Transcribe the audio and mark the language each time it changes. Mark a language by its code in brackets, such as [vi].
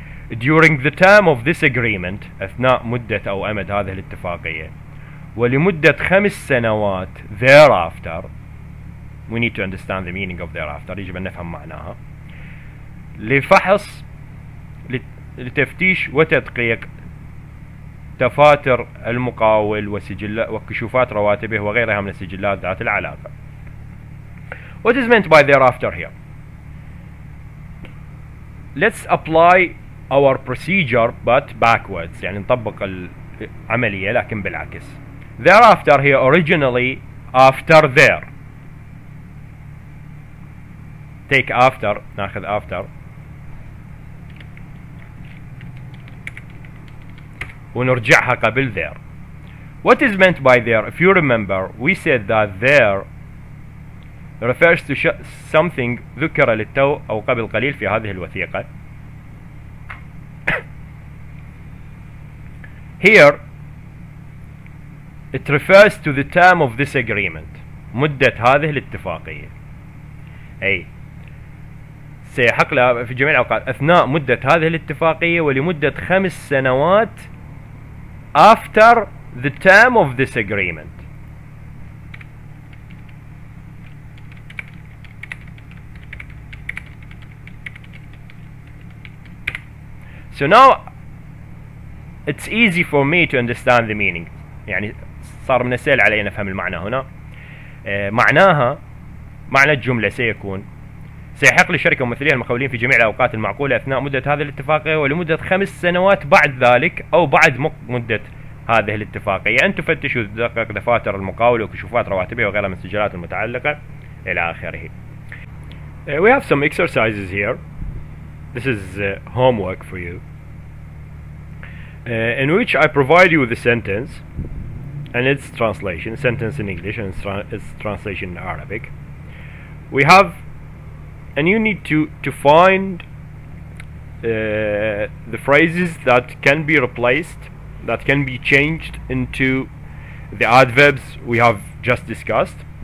[en] During the term of this agreement, [ar] أثناء مدة أو أمد هذه الاتفاقية, ولمدة 5 سنوات [en] thereafter, we need to understand the meaning of thereafter, [ar] يجب أن نفهم معناها, لفحص لتفتيش وتدقيق تفاتر المقاول وسجلات وكشوفات رواتبه وغيرها من السجلات ذات العلاقة. [en] What is meant by thereafter here? Let's apply our procedure but backwards, [ar] يعني نطبق العملية لكن بالعكس. [en] Thereafter here originally after there. Take after, [ar] ناخذ [en] after [ar] ونرجعها قبل [en] there. What is meant by there? If you remember, we said that there refers to something [ar] ذكر للتو أو قبل قليل في هذه الوثيقة. [en] Here it refers to the term of this agreement, [ar] مدة هذه الاتفاقية. أي سيحق لها في جميع الأوقات أثناء مدة هذه الاتفاقية ولمدة 5 سنوات [en] after the term of this agreement. So now it's easy for me to understand the meaning. [ar] يعني صار من السهل علي أن أفهم المعنى هنا. معناها معنى الجملة سيكون سيحق للشركة ممثليها المخولين في جميع الأوقات المعقولة أثناء مدة هذه الاتفاقية ولمدة 5 سنوات بعد ذلك أو بعد مدة هذه الاتفاقية أن تفتش وتدقق دفاتر المقاولة وكشوفات رواتبها وغيرها من السجلات المتعلقة إلى آخره. [en] We have some exercises here. This is homework for you. In which I provide you with a sentence and its translation, sentence in English and its translation in Arabic. We have, and you need to find the phrases that can be replaced, that can be changed into the adverbs we have just discussed.